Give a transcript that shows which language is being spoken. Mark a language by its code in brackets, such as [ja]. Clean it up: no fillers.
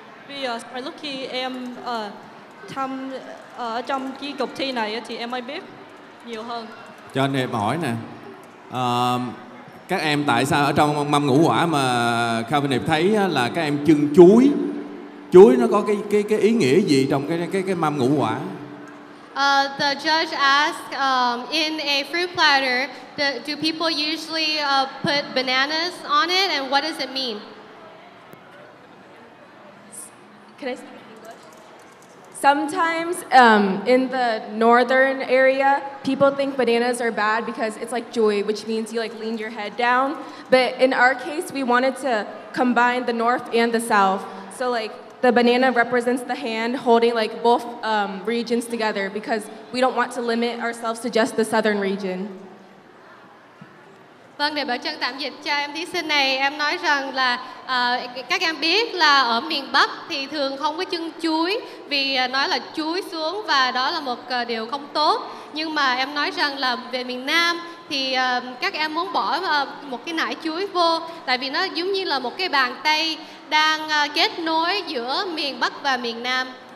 [vi] Vì lúc khi em tham ở trong cái cuộc thi này thì em mới biết nhiều hơn. Cho anh Hiệp hỏi nè. Các em tại sao ở trong mâm ngũ quả mà Calvin Hiệp thấy là các em chưng chuối? Chuối nó có cái ý nghĩa gì trong cái mâm ngũ quả? [en] The judge asked, in a fruit platter, do people usually put bananas on it, and what does it mean? Can I speak English? Sometimes in the northern area, people think bananas are bad because it's like joy, which means you like lean your head down. But in our case, we wanted to combine the north and the south. So like the banana represents the hand holding like both regions together because we don't want to limit ourselves to just the southern region. [vi] Vâng, để bảo trang tạm dịch cho em thí sinh này, em nói rằng là các em biết là ở miền Bắc thì thường không có chân chuối vì nói là chuối xuống và đó là một điều không tốt. Nhưng mà em nói rằng là về miền Nam thì các em muốn bỏ một cái nải chuối vô tại vì nó giống như là một cái bàn tay đang kết nối giữa miền Bắc và miền Nam.